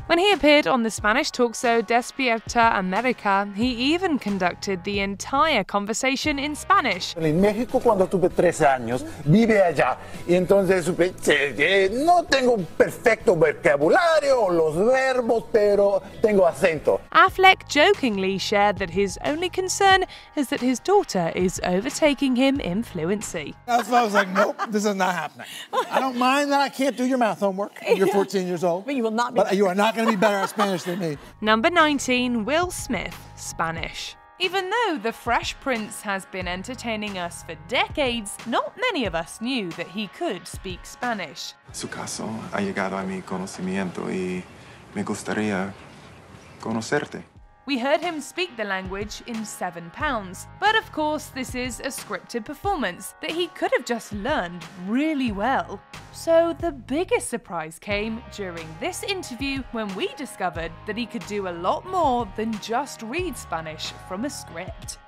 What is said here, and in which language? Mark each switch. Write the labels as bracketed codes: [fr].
[en] When he appeared on the Spanish talk show Despierta America, he even conducted the entire conversation in Spanish. [es] En México, cuando tuve 13 años, vive allá. Y entonces, no tengo perfecto vocabulario, los verbos, pero tengo acento. [en] Affleck jokingly shared that his only concern is that his daughter is overtaking him in fluency. That's why I was like, nope, this is not happening. I don't mind that I can't do your math homework. You're 14 years old. But you will not be. But you are not going to be better at Spanish than me. Number 19, Will Smith, Spanish. Even though the Fresh Prince has been entertaining us for decades, not many of us knew that he could speak Spanish. [es] Su caso ha llegado a mi conocimiento y me gustaría conocerte. [en] We heard him speak the language in 7 pounds, but of course this is a scripted performance that he could have just learned really well. So the biggest surprise came during this interview when we discovered that he could do a lot more than just read Spanish from a script.